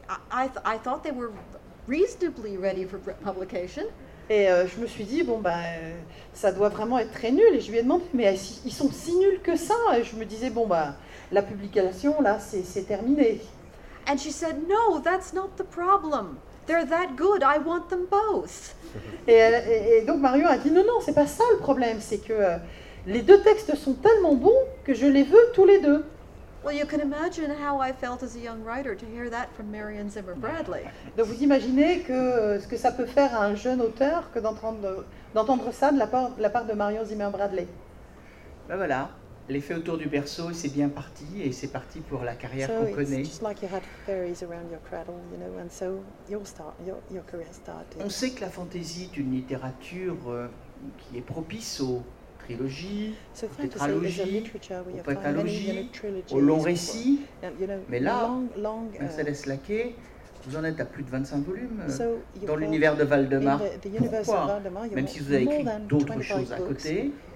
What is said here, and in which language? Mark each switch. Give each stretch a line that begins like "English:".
English: I thought they were reasonably ready for publication.
French: Et je me suis dit, bon ben, ça doit vraiment être très nul. Et je lui ai demandé, mais ils sont si nuls que ça? Et je me disais, bon ben, la publication, là, c'est terminé.
English: And she said, no, that's not the problem. They're that good, I want them both.
French: Et donc Marion a dit, non, c'est pas ça le problème. C'est que les deux textes sont tellement bons que je les veux tous les deux.
English: Well, you can imagine how I felt as a young writer to hear that from Marion Zimmer Bradley.
French: Donc vous imaginez que ce que ça peut faire à un jeune auteur que d'entendre ça de la part de Marion Zimmer Bradley. Ben voilà, l'effet autour du berceau, c'est bien parti, et c'est parti pour la carrière qu'on connaît.
English: So it's just like you had fairies around your cradle, you know, and so your career started.
French: On sait que la fantasy est une littérature qui est propice aux trilogie, tétralogie, pentalogie, au long récit, mais là, Mercedes Laquet, vous en êtes à plus de 25 volumes dans l'univers de Valdemar. Pourquoi, même si vous avez écrit d'autres choses à côté,